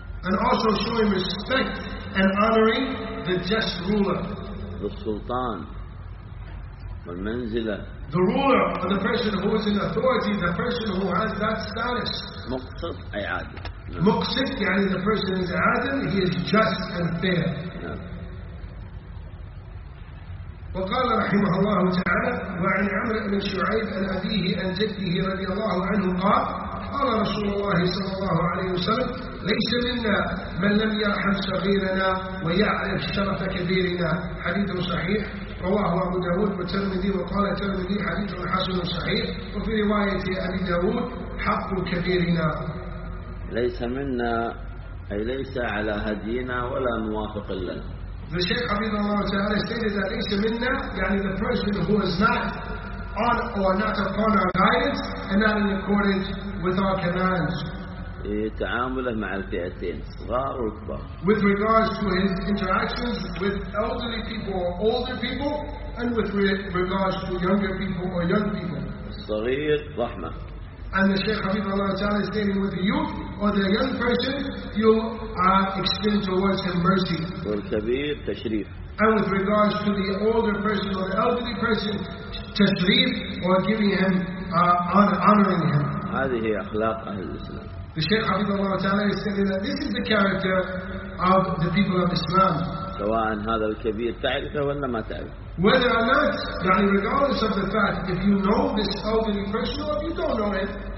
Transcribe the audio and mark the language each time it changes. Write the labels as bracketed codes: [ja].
[en] And also showing respect and honoring the just ruler. [ar] السلطان والمنزلة. [en] The ruler or the person who is in authority, the person who has that status. [ar] مقسط أي عادل. مقسط يعني [en] the person is عادل, he is just and fair. [ar] وقال رحمه الله تعالى وعن عمر بن شعيب عن أبيه عن جده رضي الله عنه قال قال رسول الله صلى الله عليه وسلم ليس منا من لم يرحم صغيرنا ويعرف شرف كبيرنا. حديث صحيح رواه أبو داود والترمذي وقال الترمذي حديث حسن صحيح وفي رواية أبي داود حق كبيرنا. ليس منا أي ليس على هدينا ولا موافق لنا. [en] The Shaykh Habibullah Ta'ala stated that [ar] ليس منا يعني [en] the person who is not on or not upon our guidance and not in accordance with our commands. [ar] تعامله مع الفئتين صغار وكبار. [en] With regards to his interactions with elderly people or older people and with regards to younger people or young people. [ar] الصغير رحمة. [en] And the Shaykh Habibullah Ta'ala stating with the youth or the young person, you are extend towards him mercy. [ar] والكبير تشريف. [en] And with regards to the older person or the elderly person, تشريف or giving him honoring him. [ar] هذه هي أخلاق أهل الإسلام. [en] The Shaykh Habibullah Ta'ala is saying that this is the character of the people of Islam. [ar] سواء هذا الكبير تعرفه ولا ما تعرفه. [en] Whether or not, يعني regardless of the fact, if you know this elderly person or if you don't know it.